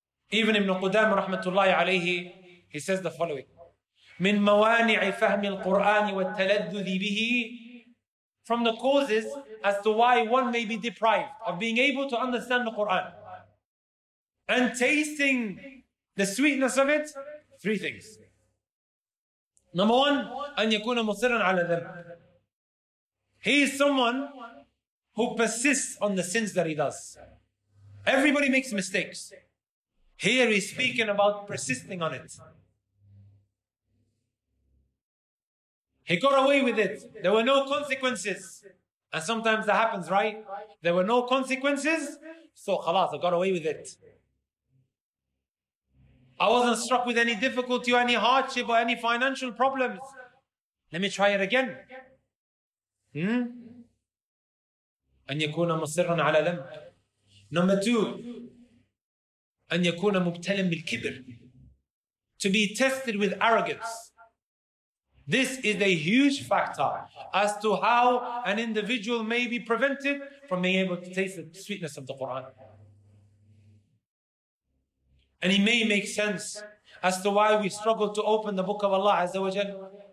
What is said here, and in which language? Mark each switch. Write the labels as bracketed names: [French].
[English] Even Ibn Qudam, [Arabic] rahmatullahi alayhi, [English] he says the following, [Arabic] "Min mawani'i fahmi al-Qur'an wa taladdudhi bihi," [English] from the causes as to why one may be deprived of being able to understand the Qur'an and tasting the sweetness of it, three things. Number one, [Arabic] أن يكون مصرًا على ذنب. [English] He is someone who persists on the sins that he does. Everybody makes mistakes. Here he's speaking about persisting on it. He got away with it. There were no consequences. And sometimes that happens, right? There were no consequences, so khalas, I got away with it. I wasn't struck with any difficulty or any hardship or any financial problems. Let me try it again. [Arabic] أن يكون مصرًا على ذنب. [English] Number two, [Arabic] أن يكون مبتلًا بالكبر. [English] To be tested with arrogance. This is a huge factor as to how an individual may be prevented from being able to taste the sweetness of the Quran. And it may make sense as to why we struggle to open the book of Allah Azza wa Jal.